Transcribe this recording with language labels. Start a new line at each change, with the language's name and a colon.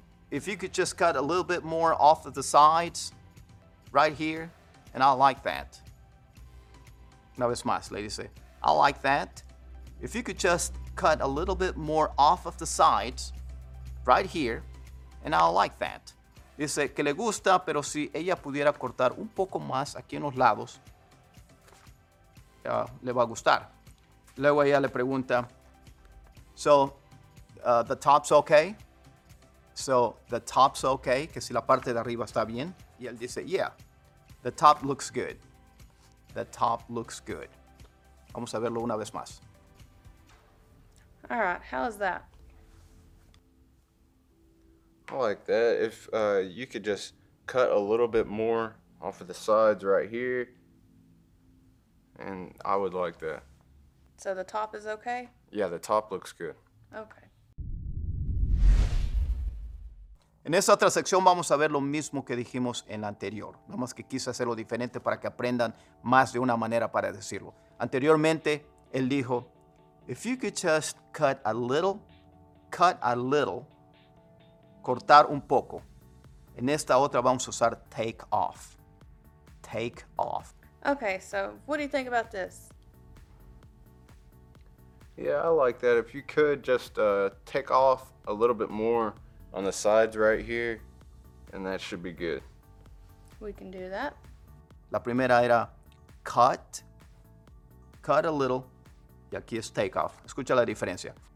English: If you could just cut a little bit more off of the sides, right here, and I like that.
Spanish: Una vez más, le dice,
English: I like that. If you could just cut a little bit more off of the sides, right here, and I like that.
Spanish: Dice que le gusta, pero si ella pudiera cortar un poco más aquí en los lados, le va a gustar. Luego ella le pregunta,
English: so, the top's okay? So, the top's okay?
Spanish: Que si la parte de arriba está bien. Y él dice,
English: yeah, the top looks good. The top looks good.
Spanish: Vamos a verlo una vez más.
English: All right, how is that? I like that. If you could just cut a little bit more off of the sides right here, and I would like that. So the top is okay? Yeah, the top looks good. Okay.
Spanish: En esa otra sección vamos a ver lo mismo que dijimos en la anterior. Nada más que quise hacerlo diferente para que aprendan más de una manera para decirlo. Anteriormente, él dijo,
English: if you could just cut a little,
Spanish: cortar un poco. En esta otra vamos a usar take off.
English: Take off. Okay, so what do you think about this? Yeah, I like that. If you could just take off a little bit more on the sides right here, and that should be good. We can do that.
Spanish: La primera era
English: cut a little,
Spanish: y aquí es take off. Escucha la diferencia.